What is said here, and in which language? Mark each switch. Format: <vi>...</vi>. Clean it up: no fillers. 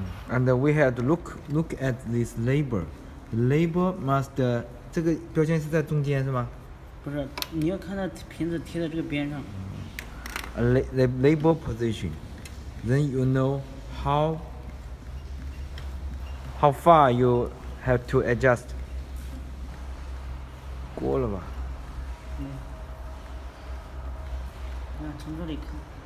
<en>And we have to look at this label. The label must,</en> <zh>这个标签是在中间是吗？不是，你要看到瓶子贴在这个边上。</zh> <en>The label position, then you know how far you have to adjust.</en> <zh>过了吧？嗯。从这里看。</zh>